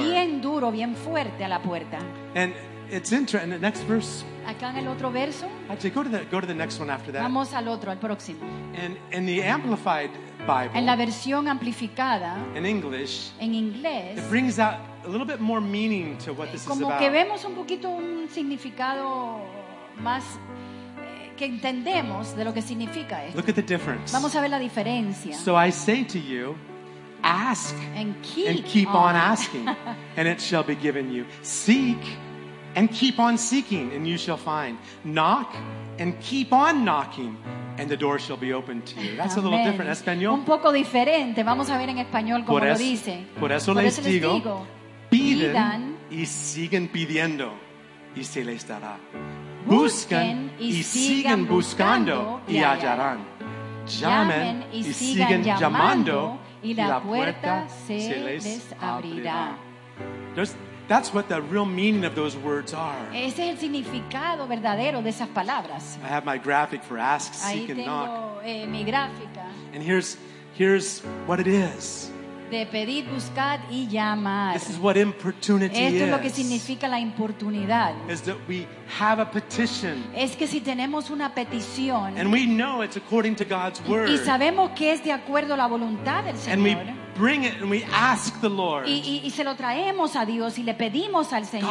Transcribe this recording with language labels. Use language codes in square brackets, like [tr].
[es] Bien duro, bien fuerte a la puerta. [en] And it's interesting. The next verse. [es] Acá en el otro verso. [en] Actually, go to the next one after that. [es] Vamos al otro, al próximo. [en] And in the Amplified Bible. [es] En la versión amplificada. [en] In English. [es] En inglés. [en] It brings out a little bit more meaning to what this is about. [es] Como que vemos un poquito un significado más que entendemos de lo que significa esto. [en] Look at the difference. [es] Vamos a ver la diferencia. [en] So I say to you, ask and keep on asking, and it shall be given you. Seek and keep on seeking, and you shall find. Knock, and keep on knocking, and the door shall be opened to you. That's amen. A little different. [es] Español. Un poco diferente. Vamos a ver en español cómo lo dice. Por eso les digo, piden y siguen pidiendo, y se les dará. Busquen y siguen buscando, y hallarán. Llamen y siguen llamando, y la puerta se les abrirá. [en] That's what the real meaning of those words are. [es] Ese es el significado verdadero de esas palabras. [en] I have my graphic for ask, seek, [es] ahí tengo, [en] and knock. [es] Mi gráfica. [en] And here's what it is. [es] De pedir, buscar y llamar. [en] This is what importunity [es] esto [en] is. [es] Es lo que significa la importunidad. [en] Is that we have a petition. [es] Es que si tenemos una petición. [en] And we know it's according to God's word. [es] Y sabemos que es de acuerdo a la voluntad del Señor. [en] And we bring it and we ask the Lord. [es] Y se lo traemos a Dios y le pedimos al Señor.